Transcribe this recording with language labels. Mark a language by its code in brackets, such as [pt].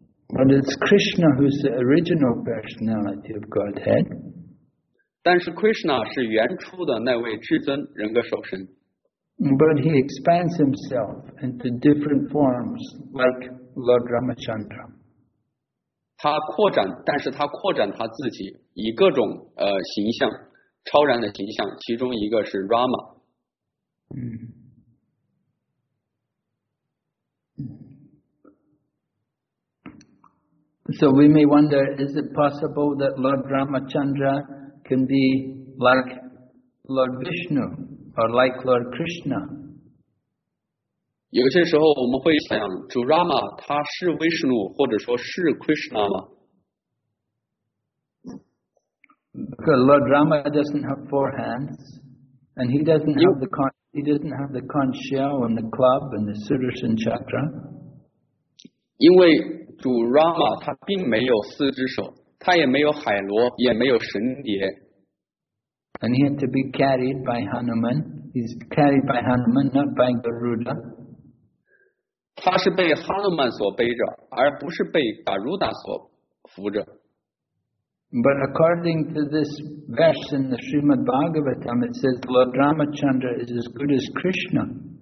[en] But it's Krishna who's the original personality of Godhead. [zh] 但是 Krishna 是原初的那位至尊人格首身。 [en] But he expands himself into different forms like Lord Ramachandra. [zh] 他扩展，但是他扩展他自己，以各种形象，超然的形象，其中一个是 Rama。 [en] So we may wonder, is it possible that Lord Ramachandra can be like Lord Vishnu? Or like Lord Krishna. [zh] 有些时候我们会想，主 Rama 他是 Vishnu 或者说是 Krishna 吗？ [en] Because Lord Rama doesn't have four hands, and he doesn't have the conch shell and the club and the Sudarshan Chakra. [zh] 因为主 Rama 他并没有四只手，他也没有海螺，也没有神碟。 [en] And he had to be carried by Hanuman. He's carried by Hanuman, not by Garuda. [zh] 他是被 Hanuman 所背着，而不是被 Garuda 所扶着。 [en] But according to this verse in the Srimad Bhagavatam, it says Lord Ramachandra is as good as Krishna.